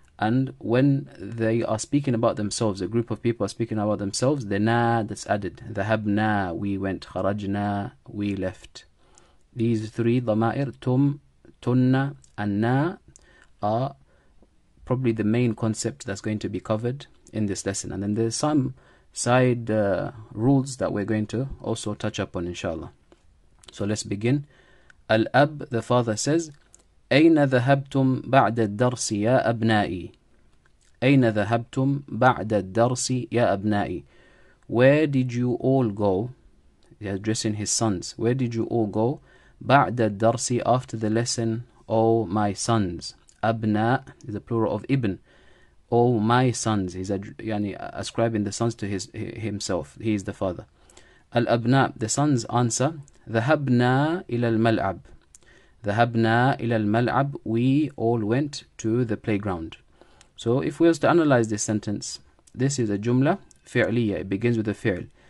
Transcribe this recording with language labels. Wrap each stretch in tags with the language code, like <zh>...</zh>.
<en>And when they are speaking about themselves, a group of people are speaking about themselves, the na that's added, the habna, we went, kharajna, we left. These three, dhamair, tum, tunna, and na, are probably the main concept that's going to be covered in this lesson. And then there's some side rules that we're going to also touch upon, inshallah. So let's begin.</en> <ar>Al-ab,</ar> <en>the father says,</en> <ar>أين ذهبتم بعد الدرس يا أبنائي؟ أين ذهبتم بعد الدرس يا أبنائي؟</ar> <en>Where did you all go? He's addressing his sons. Where did you all go?</en> <ar>بعد الدرس,</ar> <en>after the lesson, oh my sons. أبناء is the plural of ابن. Oh my sons. He's ascribing the sons to himself. He is the father.</en> <ar>الأبناء,</ar> <en>the sons answer,</en> <ar>ذهبنا إلى الملعب. ذهبنا إلى الملعب,</ar> <en>we all went to the playground. So if we were to analyze this sentence, this is a jumla فعلية, it begins with a fi'l.</en>